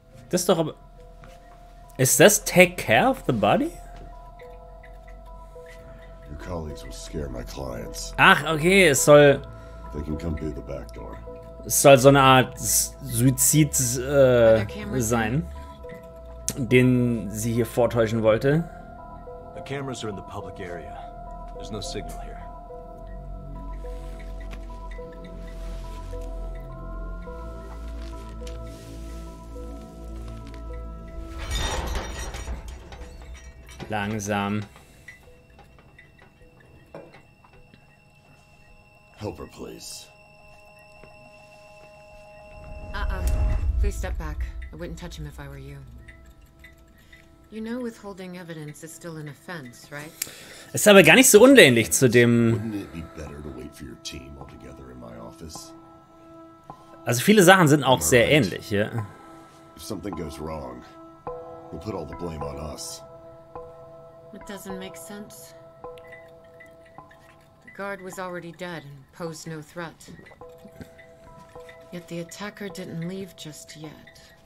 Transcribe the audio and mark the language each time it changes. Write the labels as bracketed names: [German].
[German] Das ist doch aber... Ist das [English] take care of the body? Your colleagues will scare my clients. [German] Ach, okay, es soll... [English] They can come through the back door. [German] Es soll so eine Art Suizid sein. Den sie hier vortäuschen wollte. [English] The cameras are in the public area. There's no signal here. [German] Langsam. [English] Help her, please. Please step back. I wouldn't touch him if I were you. You know, withholding evidence is still an offense, right? [German] Es ist aber gar nicht so unähnlich zu dem. [English] Wouldn't it be better to wait for your team all together in my office? [German] Also viele Sachen sind auch sehr ähnlich, ja. [English] If something goes wrong, we'll put all the blame on us. It doesn't make sense. The guard was already dead and posed no threat. Yet the attacker didn't leave just yet.